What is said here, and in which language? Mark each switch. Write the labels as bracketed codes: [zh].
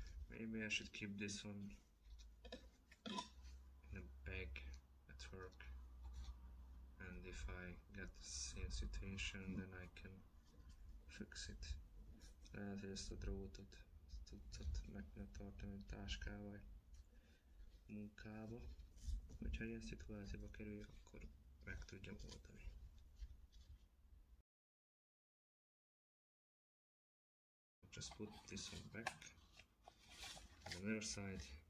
[en] Maybe I should keep this one in a bag at work. And if I get the same situation, then I can fix it. [hu] Lehet, hogy ezt a drótot tudtad meg kell tartani a táskával munkába. Hogyha ilyen szituációba kerüljük, akkor meg tudjam oldani. [en] Just put this one back on the other side.